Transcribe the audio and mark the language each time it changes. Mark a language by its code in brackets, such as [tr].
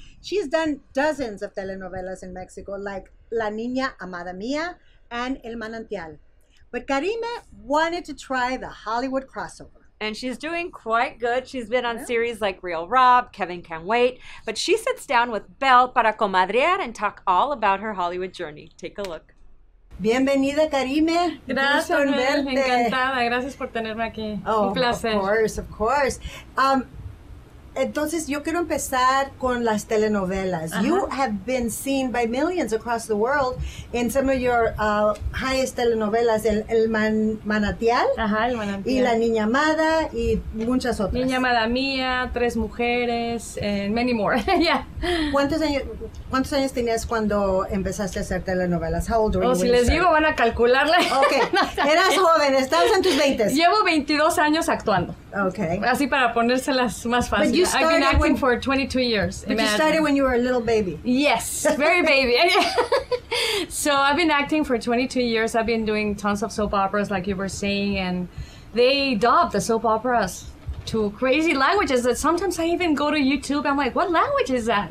[en] She's done dozens of telenovelas in Mexico, like La Niña Amada Mia and El Manantial. But Karyme wanted to try the Hollywood crossover. And she's doing quite good. She's been on series like Real Rob, Kevin Can't Wait. But she sits down with Belle [es] para comadrear [en] and talk all about her Hollywood journey. Take a look. [es] Bienvenida, Karyme. Gracias, encantada. Gracias por tenerme aquí. Oh, un placer. [en] Of course, of course. [es] Entonces, yo quiero empezar con las telenovelas. [en] Uh-huh. You have been seen by millions across the world in some of your highest telenovelas, El Manantial. [es] Ajá, El Manantial. Y La Niña Amada y muchas otras. [en] Niña Amada Mía, Tres Mujeres, and many more. Yeah. [es] ¿Cuántos años tenías cuando empezaste a hacer telenovelas? [en] How old were you? [es] Oh, si les digo, van a calcularle. Ok. Eras joven, estabas en tus 20s. Llevo 22 años actuando. [en] Okay. [es] Así para ponérselas más fácil. [en] I've been acting for 22 years. But imagine. You started when you were a little baby. Yes, very baby. So I've been acting for 22 years. I've been doing tons of soap operas, like you were saying, and they dub the soap operas to crazy languages that sometimes I even go to YouTube. I'm like, what language is that?